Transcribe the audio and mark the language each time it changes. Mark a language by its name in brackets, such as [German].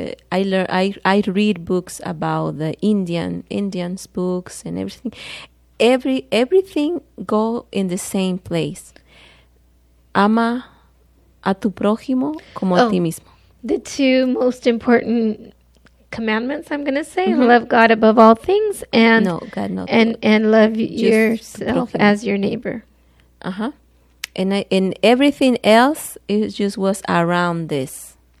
[English] I read books about the Indians books and everything. Everything go in the same place. [Spanish] Ama a tu prójimo como a ti mismo. [English] The two most important commandments, I'm going to say, mm-hmm. love God above all things and love yourself as your neighbor. Uh-huh. And everything else, it just was around this.